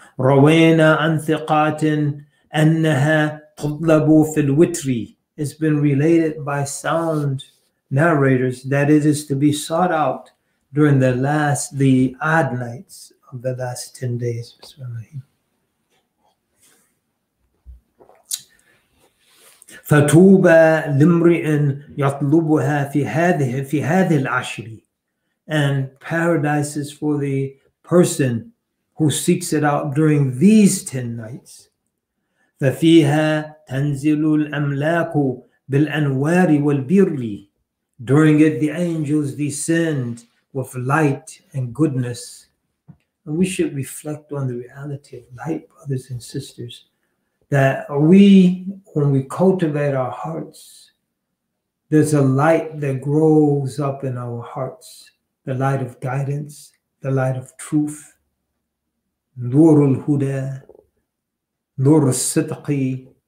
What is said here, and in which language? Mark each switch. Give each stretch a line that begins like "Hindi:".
Arabic: رَوَيْنَا عَنْ ثِقَاتٍ أَنَّهَا تُطْلَبُ فِي الْوِتْرِ.
English: It's been related by sound narrators that it is to be sought out during the last, the odd nights of the last 10 days.
Arabic: فتوبى لامرئ يطلبها في هذه العشر.
English: And paradise is for the person who seeks it out during these 10 nights.
Arabic: ففيها تنزل الأملاك بالأنوار والبر.
English: During it, the angels descend with light and goodness. And we should reflect on the reality of light, brothers and sisters, that we, when we cultivate our hearts, there's a light that grows up in our hearts, the light of guidance, the light of truth, Nur al-Huda, Nur al-Sidqi,